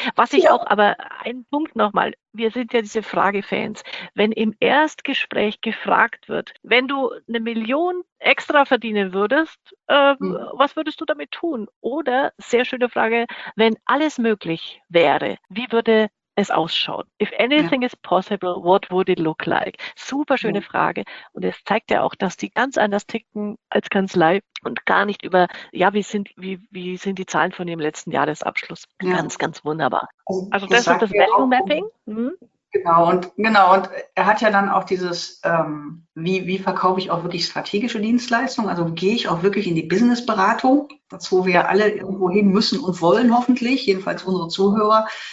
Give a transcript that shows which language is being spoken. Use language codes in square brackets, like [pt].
[de] Was ich auch, aber einen Punkt nochmal, wir sind ja diese Fragefans. Wenn im Erstgespräch gefragt wird, wenn du 1 Million extra verdienen würdest, was würdest du damit tun? Oder, sehr schöne Frage, wenn alles möglich wäre, wie würde es ausschaut. [en] If anything is possible, what would it look like? [de] Super schöne Frage. Und es zeigt ja auch, dass die ganz anders ticken als Kanzlei und gar nicht über, wie sind die Zahlen von dem letzten Jahresabschluss. Ja. Ganz, ganz wunderbar. Also das ist das Value Mapping. Genau, und er hat ja dann auch dieses, wie verkaufe ich auch wirklich strategische Dienstleistungen, also gehe ich auch wirklich in die Businessberatung, dazu wir alle irgendwo hin müssen und wollen hoffentlich, jedenfalls unsere Zuhörer.